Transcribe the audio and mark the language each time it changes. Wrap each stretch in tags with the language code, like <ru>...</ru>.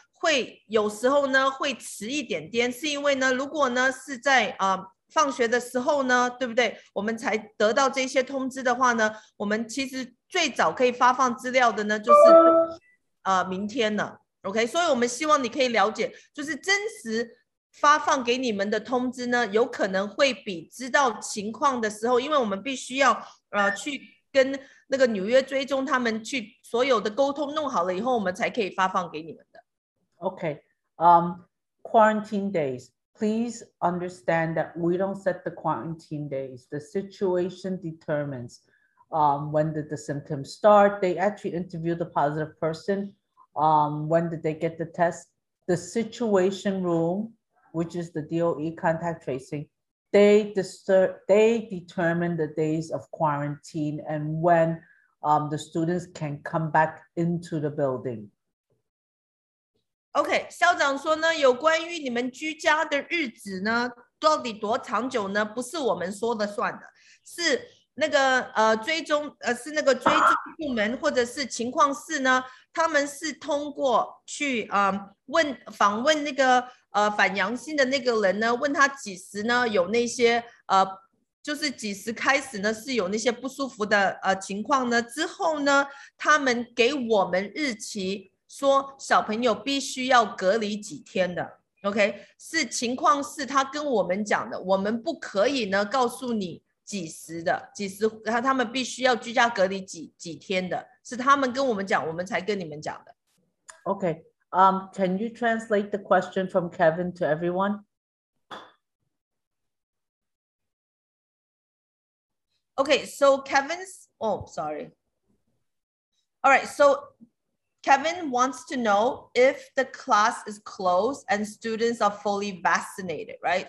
<zh>会有时候呢会迟一点点，是因为呢如果呢是在放学的时候呢，对不对，我们才得到这些通知的话呢，我们其实最早可以发放资料的呢就是明天了 OK， 所以我们希望你可以了解，就是真实发放给你们的通知呢有可能会比知道情况的时候，因为我们必须要去跟那个纽约追踪他们去所有的沟通弄好了以后我们才可以发放给你们。</zh> <en>Okay, quarantine days. Please understand that we don't set the quarantine days. The situation determines when did the symptoms start. They actually interview the positive person. When did they get the test? The situation room, which is the DOE contact tracing, they determine the days of quarantine and when the students can come back into the building.</en> <zh>OK， 校长说呢，有关于你们居家的日子呢，到底多长久呢？不是我们说的算的，是那个是那个追踪部门或者是情况室呢，他们是通过去访问那个反阳性的那个人呢，问他几时呢有那些就是几时开始呢是有那些不舒服的情况呢，之后呢，他们给我们日期。说小朋友必须要隔离几天的 ，OK， 是情况是他跟我们讲的，我们不可以呢告诉你几时的，几时他们必须要居家隔离 几天的，是他们跟我们讲，我们才跟你们讲的。</zh> <en>Okay, can you translate the question from Kevin to everyone? Okay, so Kevin's, oh, sorry. All right, so Kevin wants to know if the class is closed and students are fully vaccinated, right?</en>